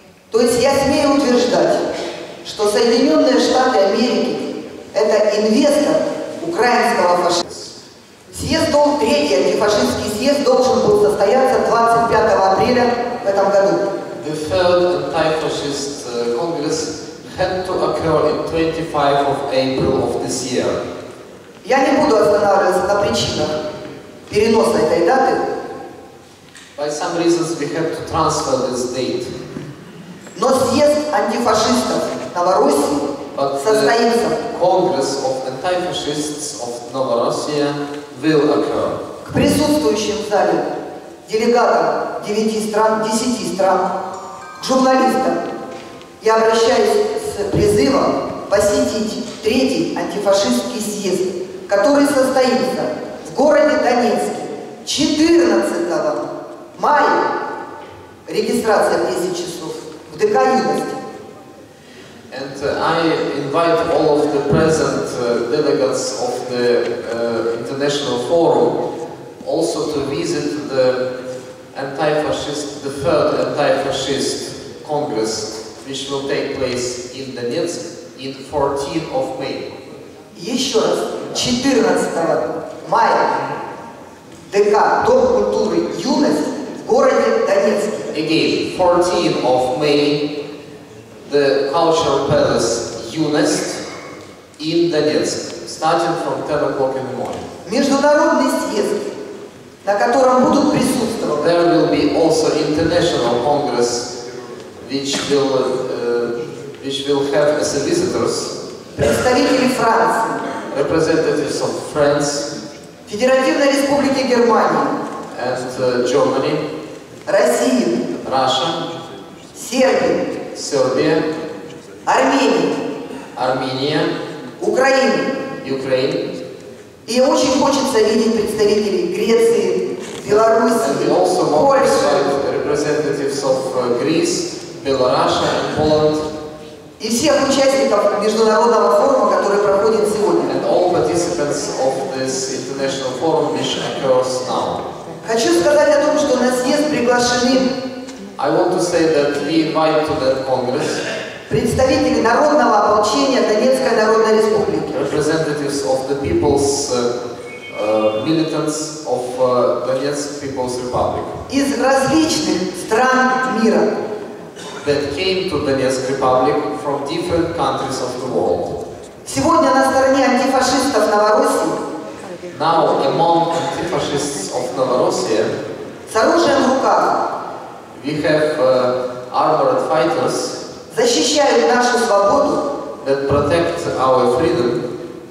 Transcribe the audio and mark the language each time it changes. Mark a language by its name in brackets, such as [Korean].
[Russian] То есть я смею утверждать, что Соединенные Штаты Америки – это инвестор украинского фашизма. Съезд был третий, антифашистский съезд должен был состояться 25 апреля в этом году. [English] The third anti-fascist congress had to occur in 25 of April of this year. [Russian] Я не буду останавливаться на причинах переноса этой даты. [English] By some reasons we had to transfer this date. [Russian] Но съезд антифашистов Новороссии состоится. [English] Congress of anti-fascists of Novorossiya will occur. [Russian] К присутствующим в зале делегатам 9 стран, 10 стран, к журналистам я обращаюсь с призывом посетить третий антифашистский съезд, который состоится в городе Донецке 14 мая, регистрация 10 часов, в ДК «Юность». [English] invite all of the present delegates of the international forum also to visit the anti-fascist, the third anti-fascist congress, which will take place in Donetsk in 14th of May. [Russian] Еще раз, 14 мая ДК Дом культуры юность в городе Донецке. [English] Again, 14th of May, the Cultural Palace UNEST in Donetsk, starting from 10 o'clock in the morning. [Russian] Международный съезд, на котором будут присутствовать. [English] There will be also international congress, which will have as a visitors. [Russian] Представители Франции. [English] Representatives of France. [Russian] Федеративной Республики Германии. [English] And Germany. [Russian] России. [English] Russia. [Russian] Сербия. Сербия. Армения. Армения. Украина. Украина. И очень хочется видеть представителей Греции, Белоруссии, [English] Польши. Representatives of Greece, Belarus, Poland. [Russian] И всех участников международного форума, который проходит сегодня. [English] And all participants of this international forum which occurs now. [Russian] Хочу сказать о том, что на съезд приглашены. [English] I want to say that we invite to that congress. [Russian] Представители народного ополчения Донецкой Народной Республики. [English] Representatives of the people's militants of Donetsk People's Republic. [Russian] Из различных стран мира. [English] That came to Donetsk Republic from different countries of the world. [Russian] Сегодня на стороне антифашистов Новороссии. [English] Now among antifascists of Novorossiya. [Russian] С оружием в руках. [English] We have armored fighters. [Russian] Защищают нашу свободу. [English] That protect our freedom.